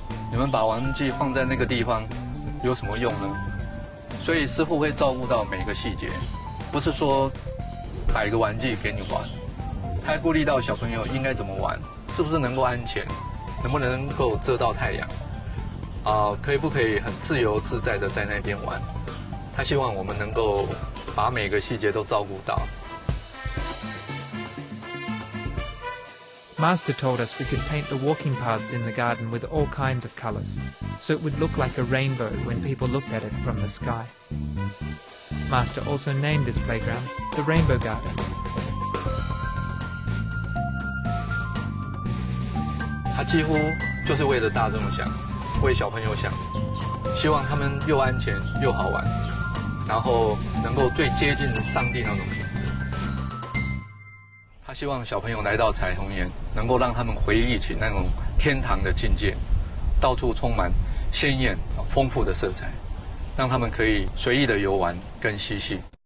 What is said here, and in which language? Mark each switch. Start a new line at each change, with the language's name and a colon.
Chinese: 你们把玩具放在那个地方有什么用呢？所以师傅会照顾到每个细节，不是说摆一个玩具给你玩，他顾虑到小朋友应该怎么玩，是不是能够安全，能不能够遮到太阳啊、可以不可以很自由自在的在那边玩。他希望我们能够把每个细节都照顾到。
English: Master told us we could paint the walking paths in the garden with all kinds of colors, so it would look like a rainbow when people looked at it from the sky. Master also named this playground the Rainbow Garden.
Chinese: 他几乎就是为了大众想，为小朋友想，希望他们又安全又好玩。然后能够最接近上帝那种品质。他希望小朋友来到彩虹岩，能够让他们回忆起那种天堂的境界，到处充满鲜艳丰富的色彩，让他们可以随意的游玩跟嬉戏。